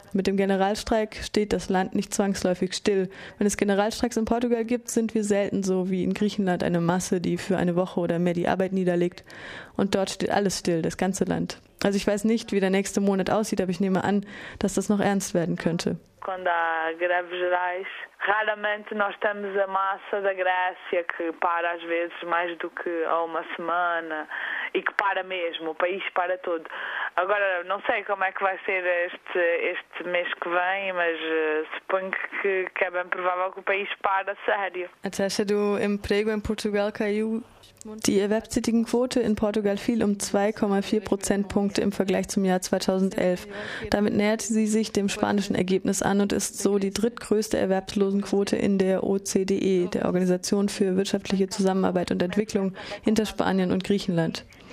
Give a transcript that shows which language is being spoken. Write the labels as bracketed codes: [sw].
[de] Mit dem Generalstreik steht das Land nicht zwangsläufig still. Wenn es Generalstreiks in Portugal gibt, sind wir selten so wie in Griechenland eine Masse, die für eine Woche oder mehr die Arbeit niederlegt. Und dort steht alles still, das ganze Land. Also ich weiß nicht, wie der nächste Monat aussieht, aber ich nehme an, dass das noch ernst werden könnte. [pt] Quando há greves gerais, raramente nós temos a massa da Grécia que para às vezes mais do que há uma semana e que para mesmo, o país para todo. Agora, não sei como é que vai ser este mês que vem, mas suponho que é bem provável que o país pare a sério. Acha do emprego em Portugal caiu? [de] Die Erwerbstätigenquote in Portugal fiel 2,4 Prozentpunkte im Vergleich zum Jahr 2011. Damit näherte sie sich dem spanischen Ergebnis an und ist so die drittgrößte Erwerbslosenquote in der OCDE, der Organisation für wirtschaftliche Zusammenarbeit und Entwicklung, hinter Spanien und Griechenland.